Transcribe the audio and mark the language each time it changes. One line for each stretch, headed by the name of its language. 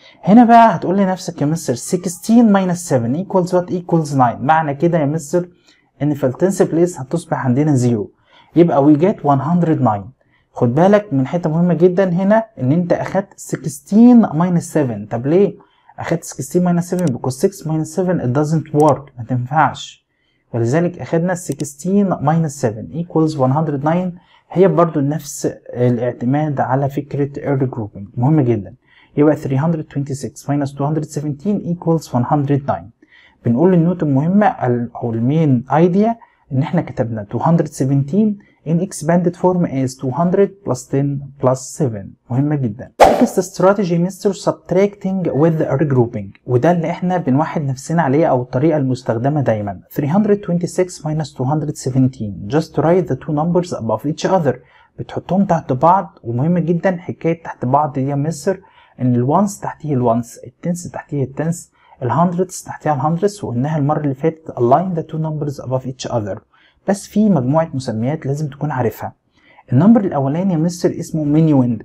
Arabic: هنا بقى هتقول لنفسك يا مستر 16 minus 7 equals what؟ equals 9. معنى كده يا مستر ان في التنس بليس هتصبح عندنا 0 يبقى we get 109. خد بالك من حتة مهمة جدا هنا ان انت اخدت 16 minus 7. طب ليه اخدت
English: 16 minus 7؟ because 6 minus 7 it doesn't work.
Arabic: ما تنفعش. ولذلك اخدنا 16 minus 7 equals 109. هي برضو نفس الاعتماد على فكرة regrouping. مهم جدا. يبقى 326 minus 217 equals 109. بنقول النوت المهمة أو المين idea إن إحنا كتبنا 217
English: in expanded form as 200 plus 10 plus 7.
Arabic: مهمة جدا. next strategy مستر subtracting with regrouping وده اللي إحنا بنوحد نفسنا عليه أو الطريقة المستخدمة دايما.
English: 326 minus 217 just write the two numbers above each other.
Arabic: بتحطهم تحت بعض ومهمة جدا حكاية تحت بعض دي يا مستر إن ال ones تحتيه ال ones ال tens تحتيه ال tens ال hundreds تحتيها ال hundreds وإنها المرة اللي فاتت
English: align the two numbers above each other.
Arabic: بس في مجموعة مسميات لازم تكون عارفها. النمبر الأولاني يا مستر اسمه منيويند.